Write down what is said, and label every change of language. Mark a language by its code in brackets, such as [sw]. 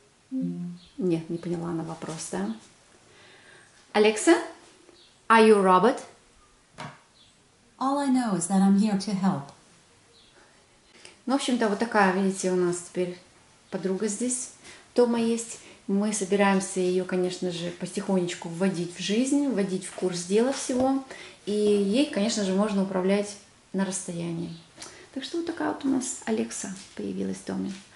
[ru] Нет, не поняла она вопрос, да? [en] Alexa, are you a robot? All I know is that I'm here to help. [ru] Ну, в общем-то, вот такая, видите, у нас теперь подруга здесь, дома есть. Мы собираемся ее, конечно же, потихонечку вводить в жизнь, вводить в курс дела всего. И ей, конечно же, можно управлять на расстоянии. Так что вот такая вот у нас Алекса появилась в доме.